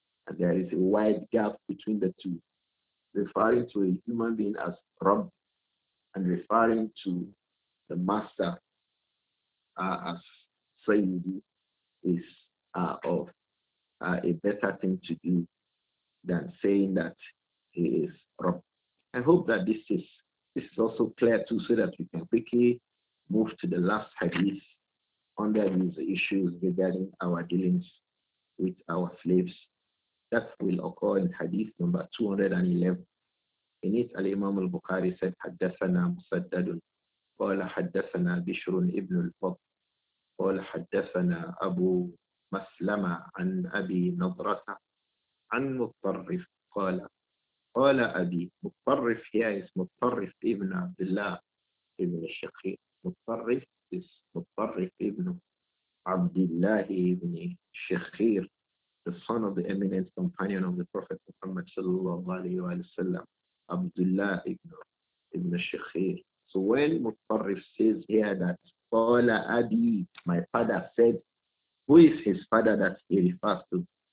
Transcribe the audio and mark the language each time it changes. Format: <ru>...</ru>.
<en>And there is a wide gap between the two, referring to a human being as Rabb and referring to the master as Sayyidi is a better thing to do than saying that he is Rabb. I hope that this is also clear too, so that we can quickly move to the last hadith under these issues regarding our dealings with our slaves. That will occur in hadith number 211. In it, Al-Imam al-Bukhari said,</en> <ar>حدثنا مسدد قال حدثنا بشر ابن الفضل قال حدثنا أبو مسلمة عن أبي نضرة عن مطرف قال أبي مطرف</ar> <en>here is</en> <ar>مطرف ابن عبد الله ابن الشقيق.</ar> <en>مطرف is مطرف ابن عبد الله ابن الشقيق, the son of the eminent companion of the Prophet Muhammad sallallahu alayhi wa sallam, Abdullah ibn Shikhir. So when Mutarrif says here that Qala Abi, my father said, who is his father that he refers to?</en>